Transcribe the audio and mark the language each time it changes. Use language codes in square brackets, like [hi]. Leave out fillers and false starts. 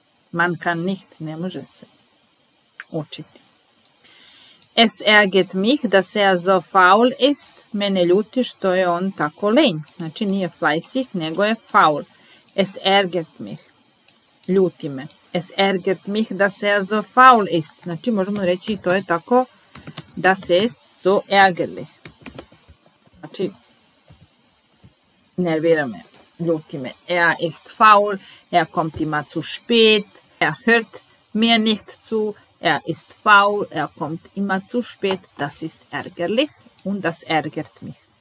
[de] Man kann nicht, [sr] ne može se učiti. [de] Es ärgert mich, dass so faul ist. [sr] Mene ljuti što je on tako lenj. Znači nije fleißig, nego je faul. [de] Es ärgert mich. [sr] Ljuti me. [de] Es ärgert mich, dass so faul ist. [sr] Znači možemo reći to je tako, da se ist so ärgerlich. Znači, nervira me, ljuti me. [de] Er ist faul, er kommt immer zu spät, er hört mir nicht zu, er ist faul, er kommt immer zu spät, das ist ärgerlich und das ärgert mich.